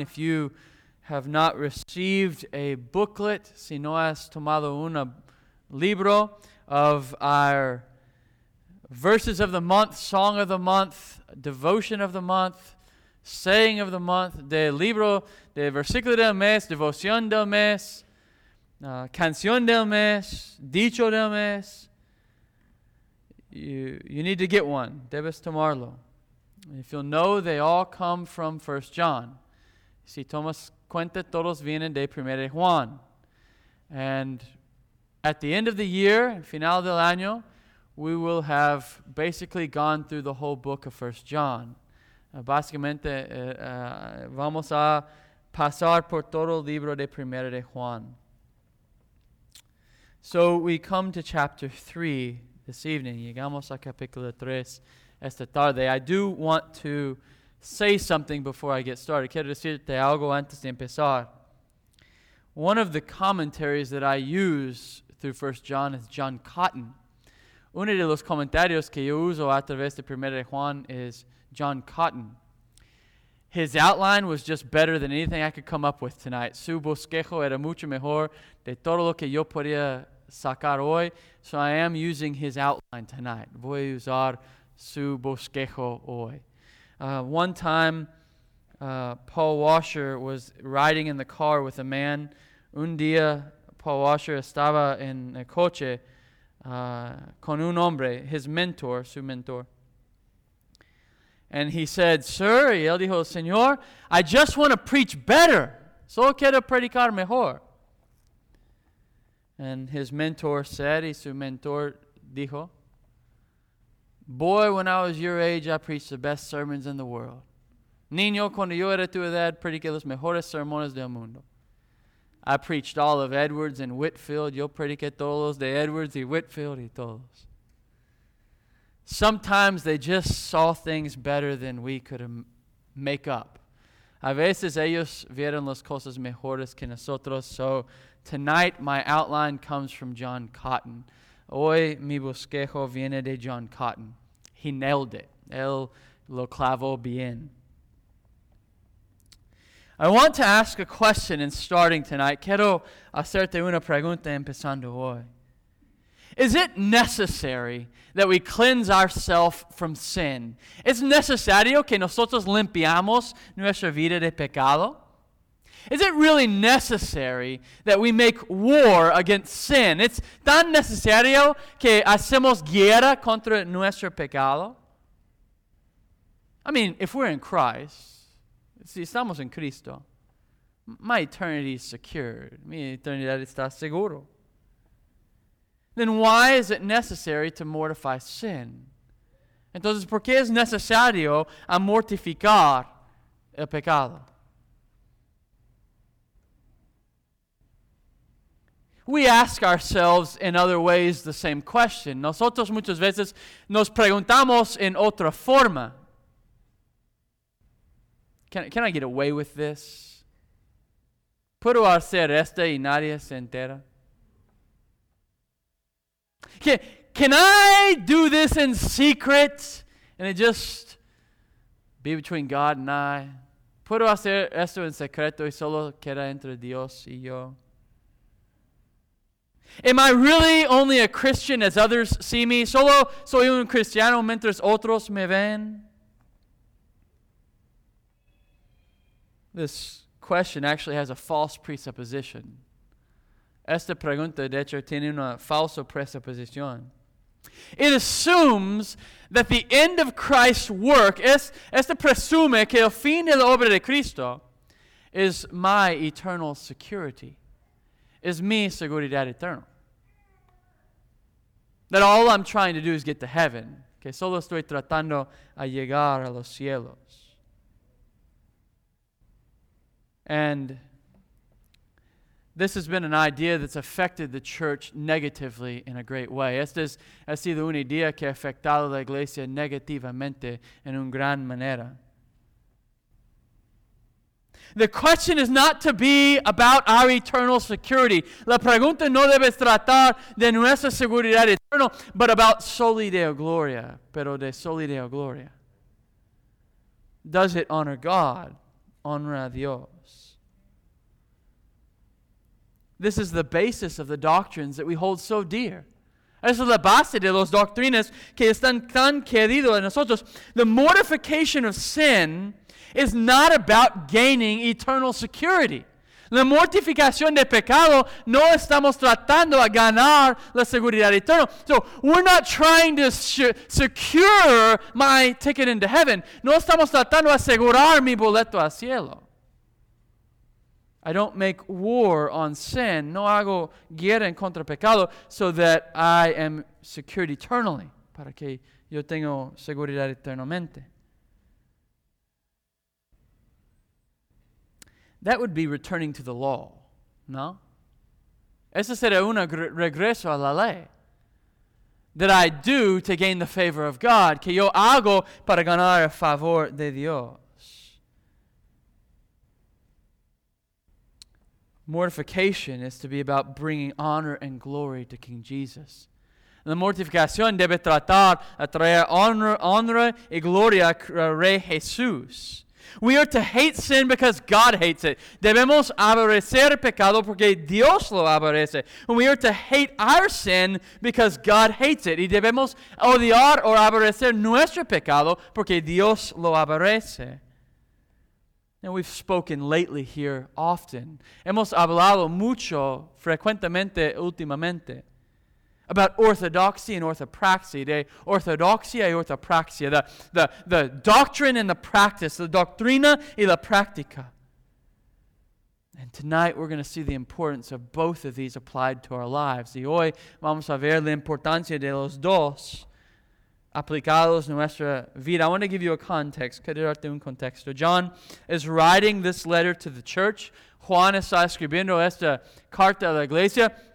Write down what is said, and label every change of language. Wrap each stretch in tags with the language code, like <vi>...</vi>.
<en>If you have not received a booklet,</en> <es>si no has tomado un libro</es> <en>of our verses of the month, song of the month, devotion of the month, saying of the month,</en> <es>de libro, de versículo del mes,</es> <en>devoción del mes, canción del mes, dicho del mes, you need to get one.</en> <es>Debes tomarlo.</es> <en>If you'll know, they all come from 1 John.</en> <es>Si tomas cuenta, todos vienen de Primera Juan.</es> <en>And at the end of the year,</en> <es>final del año,</es> <en>we will have basically gone through the whole book of 1 John.</en> <es>Básicamente, vamos a pasar por todo el libro de Primera de Juan.</es> <en>So we come to chapter 3 this evening. Llegamos a capítulo 3 esta tarde. I do want to say something before I get started.</en> <es>Quiero decirte algo antes de empezar.</es> <en>One of the commentaries that I use through 1 John is John Cotton.</en> <es>Uno de los comentarios que yo uso a través de Primera de Juan is John Cotton.</es> <en>His outline was just better than anything I could come up with tonight.</en> <es>Su bosquejo era mucho mejor de todo lo que yo podía sacar hoy.</es> <en>So I am using his outline tonight.</en> <es>Voy a usar su bosquejo hoy.</es> <en>One time, Paul Washer was riding in the car with a man.</en> <es>Un día, Paul Washer estaba en el coche con un hombre,</es> <en>his mentor,</en> <es>su mentor.</es> <en>And he said, sir,</en> <es>y él dijo, señor,</es> <en>I just want to preach better.</en> <es>Solo quiero predicar mejor.</es> <en>And his mentor said,</en> <es>y su mentor dijo,</es> <en>boy, when I was your age, I preached the best sermons in the world.</en> <es>Niño, cuando yo era tu edad, prediqué los mejores sermones del mundo.</es> <en>I preached all of Edwards and Whitfield.</en> <es>Yo prediqué todos los de Edwards y Whitfield y todos.</es> <en>Sometimes they just saw things better than we could make up.</en> <es>A veces ellos vieron las cosas mejores que nosotros.</es> <en>So tonight my outline comes from John Cotton.</en> <es>Hoy mi bosquejo viene de John Cotton.</es> <en>He nailed it.</en> <es>Él lo clavó bien.</es> <en>I want to ask a question in starting tonight.</en> <es>Quiero hacerte una pregunta empezando hoy.</es> <en>Is it necessary that we cleanse ourselves from sin?</en> <es>¿Es necesario que nosotros limpiamos nuestra vida de pecado?</es> <en>Is it really necessary that we make war against sin?</en> <es>¿Es tan necesario que hacemos guerra contra nuestro pecado?</es> <en>I mean, if we're in Christ,</en> <es>si estamos en Cristo,</es> <en>my eternity is secured.</en> <es>Mi eternidad está seguro.</es> <en>Then why is it necessary to mortify sin?</en> <es>Entonces, ¿por qué es necesario a mortificar el pecado?</es> <en>We ask ourselves in other ways the same question.</en> <es>Nosotros muchas veces nos preguntamos en otra forma.</es> <en>Can I get away with this?</en> <es>¿Puedo hacer esto y nadie se entera?</es> <en>Can I do this in secret and it just be between God and I?</en> <es>¿Puedo hacer esto en secreto y solo queda entre Dios y yo?</es> <en>Am I really only a Christian as others see me?</en> <es>¿Solo soy un cristiano mientras otros me ven?</es> <en>This question actually has a false presupposition.</en> <es>Esta pregunta, de hecho, tiene una falsa presuposición.</es> <en>It assumes that the end of Christ's work,</en> <es>esta presume que el fin de la obra de Cristo</es> <en>is my eternal security, is</en> <es>mi seguridad eternal.</es> <en>That all I'm trying to do is get to heaven,</en> <es>que solo estoy tratando a llegar a los cielos.</es> <en>And this has been an idea that's affected the church negatively in a great way.</en> <es>Esta es, ha sido una idea que ha afectado la iglesia negativamente en una gran manera.</es> <en>The question is not to be about our eternal security.</en> <es>La pregunta no debe tratar de nuestra seguridad eterna,</es> <en>but about</en> <es>soli deo gloria, pero de soli deo gloria.</es> <en>Does it honor God?</en> <es>Honra a Dios.</es> <en>This is the basis of the doctrines that we hold so dear.</en> <es>Esa es la base de las doctrinas que están tan queridos a nosotros.</es> <en>The mortification of sin is not about gaining eternal security.</en> <es>La mortificación de pecado no estamos tratando a ganar la seguridad eterna.</es> <en>So, we're not trying to secure my ticket into heaven.</en> <es>No estamos tratando a asegurar mi boleto al cielo.</es> <en>I don't make war on sin,</en> <es>no hago guerra en contra pecado,</es> <en>so that I am secured eternally,</en> <es>para que yo tenga seguridad eternamente.</es> <en>That would be returning to the law, no?</en> <es>Eso sería un regreso a la ley.</es> <en>That I do to gain the favor of God,</en> <es>que yo hago para ganar el favor de Dios.</es> <en>Mortification is to be about bringing honor and glory to King Jesus.</en> <es>La mortificación debe tratar a traer honor y gloria al Rey Jesús.</es> <en>We are to hate sin because God hates it.</en> <es>Debemos aborrecer pecado porque Dios lo aborrece.</es> <en>We are to hate our sin because God hates it.</en> <es>Y debemos odiar o aborrecer nuestro pecado porque Dios lo aborrece.</es> <en>And we've spoken lately here often.</en> <es>Hemos hablado mucho, frecuentemente, últimamente,</es> <en>about orthodoxy and orthopraxy,</en> <es>de ortodoxia y orthopraxia,</es> <en>the doctrine and the practice, the</en> <es>doctrina y la práctica.</es> <en>And tonight we're going to see the importance of both of these applied to our lives.</en> <es>Y hoy vamos a ver la importancia de los dos aplicados nuestra vida.</es> <en>I want to give you a context.</en> <es>Quiero darte un contexto.</es> <en>John is writing this letter to the church.</en> <es>Juan está escribiendo esta carta a la iglesia.</es>